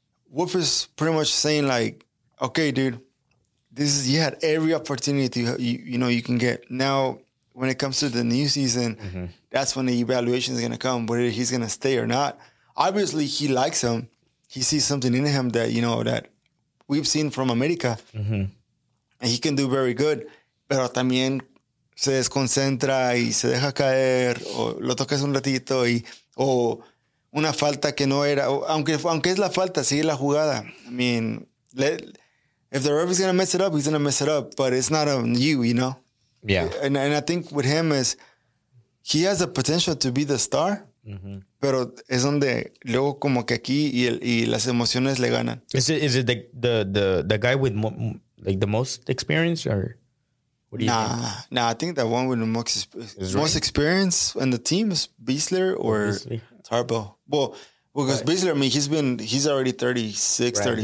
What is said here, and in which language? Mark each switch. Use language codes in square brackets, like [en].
[en] Wolf is pretty much saying like, okay, dude, this is, you had every opportunity you can get. Now, when it comes to the new season, that's when the evaluation is going to come, whether he's going to stay or not. Obviously, he likes him. He sees something in him that, you know, that we've seen from America. And he can do very good. [es] Pero también se desconcentra y se deja caer o lo tocas un ratito y o una falta que no era. [en] Aunque es la falta, sigue la jugada. I mean, if the ref is going to mess it up, he's going to mess it up. But it's not on you know? Yeah. And I think with him is he has the potential to be the star. [es] Pero es donde luego como que aquí y las emociones le ganan. [en] Is it the guy with like the most experience or what do you think? Nah, I think the one with the most experience in the team is Beasley or Tarbo. Well, because Beasley, I mean, he's already 36, 35.